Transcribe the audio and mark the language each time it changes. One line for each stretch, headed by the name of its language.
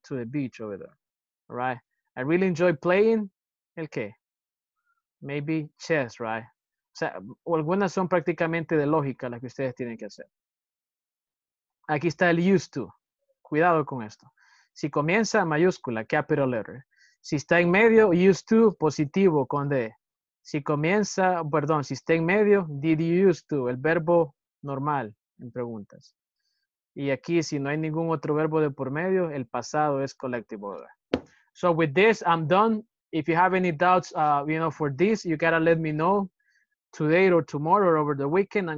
English: To the beach over there. All right. I really enjoy playing.
Spanish: El qué?
English: maybe chess, right?
Spanish: O sea, o algunas son prácticamente de lógica las que ustedes tienen que hacer. Aquí está el used to. Cuidado con esto. Si comienza, mayúscula, capital letter. Si está en medio, used to, positivo, con D. Si comienza, perdón, si está en medio, did you used to, el verbo normal en preguntas. Y aquí, si no hay ningún otro verbo de por medio, el pasado es collective order.
English: So with this, I'm done. If you have any doubts, you know, for this, you gotta let me know today or tomorrow or over the weekend.